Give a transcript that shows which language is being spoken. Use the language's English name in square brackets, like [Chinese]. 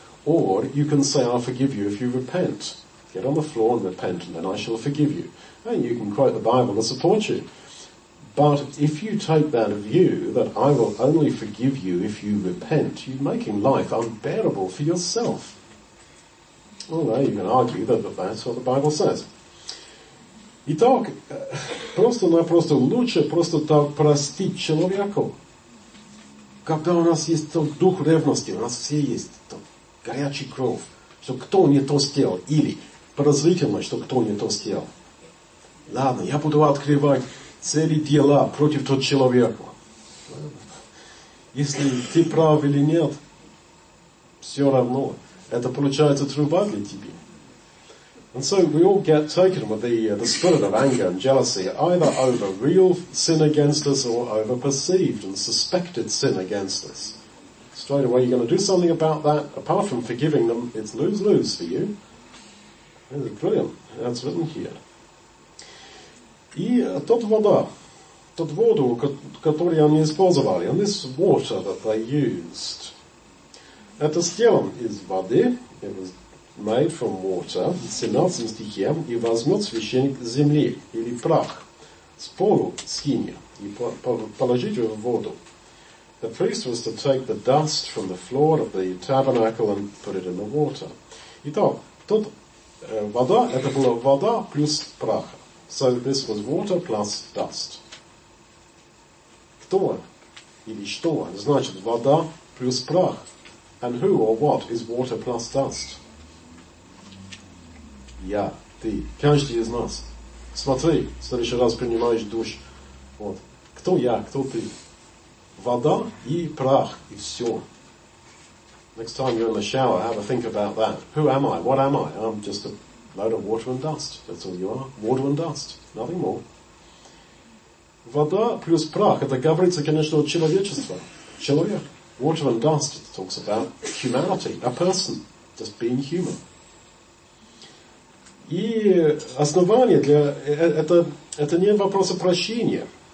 [English] Or you can say, I'll forgive you if you repent. Get on the floor and repent, and then I shall forgive you. And you can quote the Bible to support you. But if you take that view, that I will only forgive you if you repent, you're making life unbearable for yourself. Well, there you can argue that that's what the Bible says. [Russian] Итак, просто-напросто лучше просто так простить человеку. Когда у нас есть тот дух ревности, у нас все есть тот горячий кровь, что кто не то сделал, или подозрительность, что кто не то сделал. Ладно, я буду открывать цели дела против тот человека. Если ты прав или нет, все равно, это получается труба для тебя. [English] And so we all get taken with the spirit of anger and jealousy, either over real sin against us or over perceived and suspected sin against us. Straight away you're going to do something about that. Apart from forgiving them, it's lose-lose for you. This is brilliant. That's written here. [Russian] И тот вода, тот воду, который они использовали, [English] and this water that they used. [Russian] Это телом из воды, [English] it was made from water, [Russian] в 17 стихе, и возьмет священник земли, или прах, с полу скинья, и положить его в воду. [English] The priest was to take the dust from the floor of the tabernacle and put it in the water. [Russian] Итак, тот вода, это была вода плюс прах. [English] So this was water plus dust. [Russian] Кто, или что, значит вода плюс прах. [English] And who or what is water plus dust? [Russian] Я, ты, каждый из нас. Смотри, в следующий раз принимаешь душ. Вот. Кто я, кто ты? Вода и прах, и все. [English] Next time you're in the shower, have a think about that. Who am I? What am I? I'm just a load of water and dust. That's all you are. Water and dust. Nothing more. [Russian] Вода плюс прах. Это говорится, конечно, о человечестве. Человек. [English] Water and dust, it talks about humanity, a person, just being human. [Russian] И основание для... Это не вопрос о прощении.